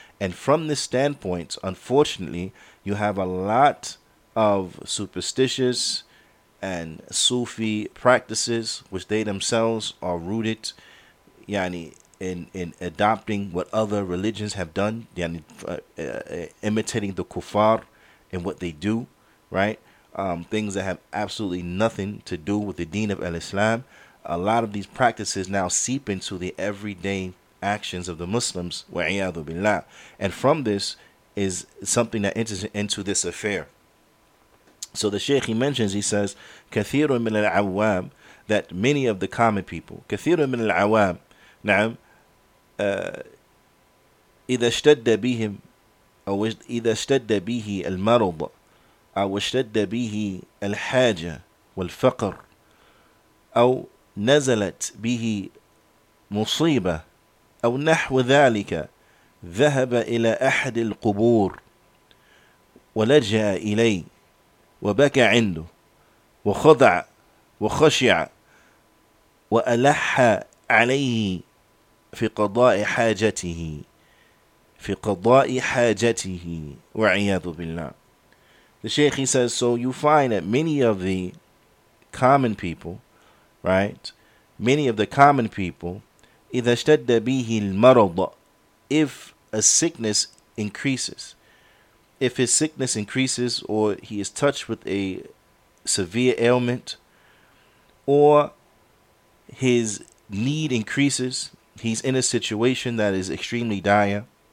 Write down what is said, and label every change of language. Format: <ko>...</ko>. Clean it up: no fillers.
<en>And from this standpoint, unfortunately, you have a lot of superstitious and Sufi practices, which they themselves are rooted, in adopting what other religions have done, imitating the kuffar and what they do, right? Things that have absolutely nothing to do with the deen of al-Islam. A lot of these practices now seep into the everyday actions of the Muslims, wa'iyadu billah. And from this is something that enters into this affair. So the Sheikh, he mentions, he says,</en> <ar>كثير من العوام,</ar> <en>that many of the common people,</en> <ar>كثير من العوام, نعم, إذا اشتد بهم, أو إذا اشتد به المرض, أو اشتد به الحاجة والفقر, أو نزلت به مصيبة, أو نحو ذلك, ذهب إلى أحد القبور ولجأ إلي وبكى عنده وخضع وخشع وألح عليه في قضاء حاجته في قضاء حاجته وعياذ بالله.</ar> <en>The Sheikh, he says, so you find that many of the common people, right, many of the common people,</en> <ar>إِذَا اشْتَدَّ بِهِ الْمَرَضَ,</ar> <en>if a sickness increases, if his sickness increases, or he is touched with a severe ailment, or his need increases, he's in a situation that is extremely dire,</en>